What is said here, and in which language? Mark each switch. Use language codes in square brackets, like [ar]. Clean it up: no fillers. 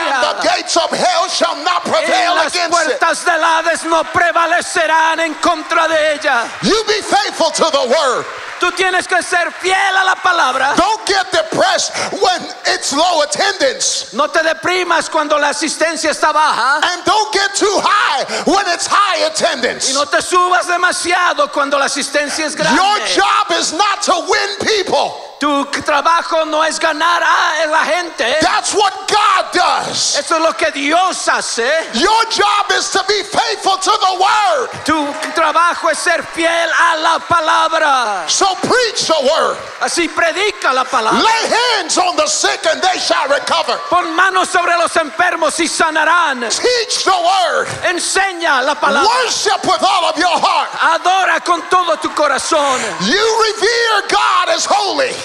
[en] And the gates of hell shall not prevail against it. [es] Y las puertas del Hades no prevalecerán en contra de ella. [en] You be faithful to the word. [es] Tú tienes que ser fiel a la palabra. [en] Don't get depressed when it's low attendance. [es] No te deprimas cuando la asistencia está baja. [en] And don't get too high when it's high attendance. [es] Y no te subas demasiado cuando la asistencia es grande. [en] Your job is not to win people. [es] Tu trabajo no es ganar a la gente. [en] That's what God does. [es] Eso es lo que Dios hace. [en] Your job is to be faithful to the word. [es] Tu trabajo es ser fiel a la palabra. [en] So preach the word. [es] Así predica la palabra. [en] Lay hands on the sick and they shall recover. [es] Pon manos sobre los enfermos y sanarán. [en] Teach the word. [es] Enseña la palabra. [en] Worship with all of your heart. [es] Adora con todo tu corazón. [en] You revere God as holy.